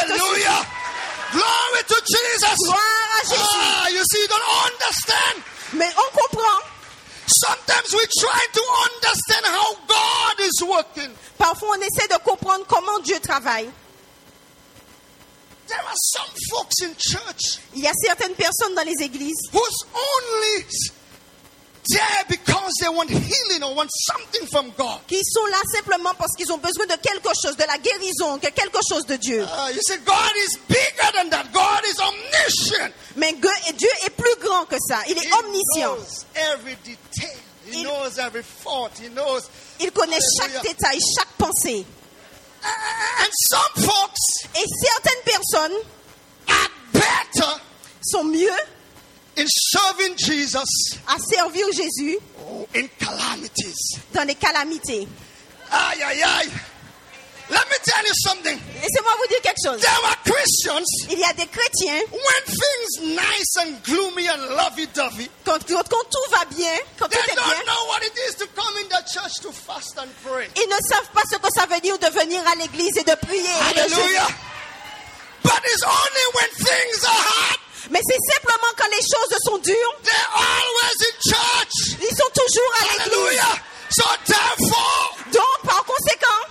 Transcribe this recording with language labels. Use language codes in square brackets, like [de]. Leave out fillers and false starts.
[en] Hallelujah. Glory to Jesus. [fr] Gloire à Jésus. [en] Ah, you see, you don't understand. [fr] Mais on comprend. [en] Sometimes we try to understand how God is working. [fr] Parfois, on essaie de comprendre comment Dieu travaille. [en] There are some folks in church. [fr] Il y a certaines personnes dans les églises. [en] Who's only there because they want healing or want something from God. [fr] Qui sont là simplement parce qu'ils ont besoin de quelque chose, de la guérison, de quelque chose de Dieu. [en] You see, God is bigger than that. God is omniscient. [fr] Mais Dieu est plus grand que ça. Il est omniscient. [en] He knows every detail. He knows every thought. He knows. [fr] Il connaît chaque détail, chaque pensée. [en] And some folks. [fr] Et certaines personnes. [en] Are better. [fr] Sont mieux. [en] In serving Jesus, [fr] à servir Jésus, [en] in calamities, [fr] dans les calamités. [en] Aïe aïe aïe! Let me tell you something. [fr] Laissez-moi vous dire quelque chose. [en] There are Christians. [fr] Il y a des chrétiens. [en] When things nice and gloomy and lovey-dovey. [fr] Quand tout va bien, quand tout est bien. [en] They don't know what it is to come in the church to fast and pray. [fr] Ils ne savent pas ce que ça veut dire de venir à l'église et de prier. [en] Hallelujah! But it's only when things are hard. [fr] Mais c'est simplement quand les choses sont dures. [en] They're always in church. [fr] Ils sont toujours à [en] l'église. So therefore, [fr] donc, par conséquent,